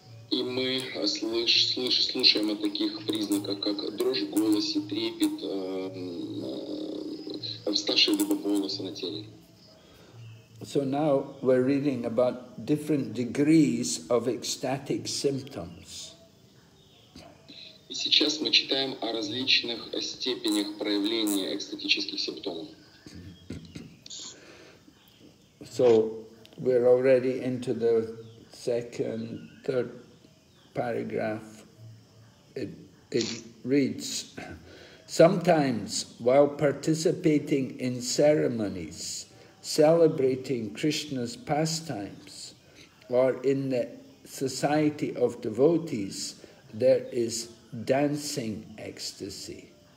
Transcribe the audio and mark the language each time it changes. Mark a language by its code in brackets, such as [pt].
[ru] И мы слышим о таких признаках, как дрожь в голосе, трепет, вставшие дыбом волосы на теле. [en] So now we're reading about different degrees of ecstatic symptoms. [ru] И сейчас мы читаем о различных степенях проявления экстатических симптомов. [en] So we're already into the second, third paragraph. It reads, sometimes while participating in ceremonies celebrating Krishna's pastimes or in the society of devotees, there is dancing ecstasy.